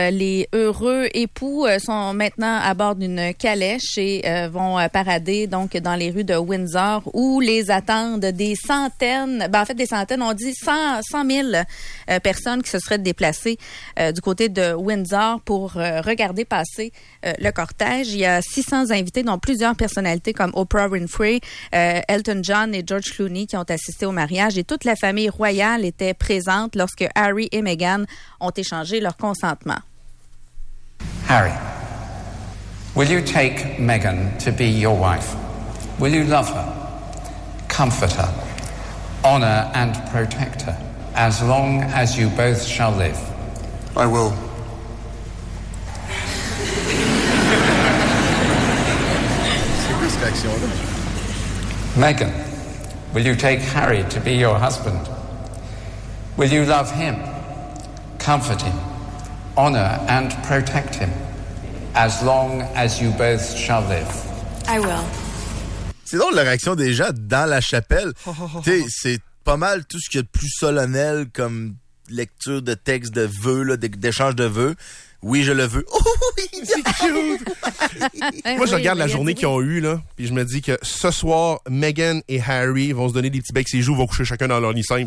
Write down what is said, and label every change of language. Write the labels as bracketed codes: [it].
[fr] Les heureux époux sont maintenant à bord d'une calèche et vont parader donc dans les rues de Windsor où les attendent des centaines, on dit 100 000 personnes qui se seraient déplacées du côté de Windsor pour regarder passer le cortège. Il y a 600 invités, dont plusieurs personnalités comme Oprah Winfrey, Elton John et George Clooney qui ont assisté au mariage. Et toute la famille royale était présente lorsque Harry et Meghan ont échangé leur consentement. [en] Harry, will you take Meghan to be your wife? Will you love her, comfort her, honor and protect her as long as you both shall live? I will. Meghan, will you take Harry to be your husband? Will you love him, comfort him, honor and protect him as long as you both shall live? I will. [fr] C'est drôle la réaction des gens dans la chapelle. Oh. C'est pas mal tout ce qu'il y a de plus solennel comme lecture de texte de vœux, là, d'échange de vœux. Oui, je le veux. Oh, oui, c'est cute! Moi, je regarde la journée qu'ils ont eue, là, puis je me dis que ce soir, Meghan et Harry vont se donner des petits becs et joue, vont coucher chacun dans leur lit simple.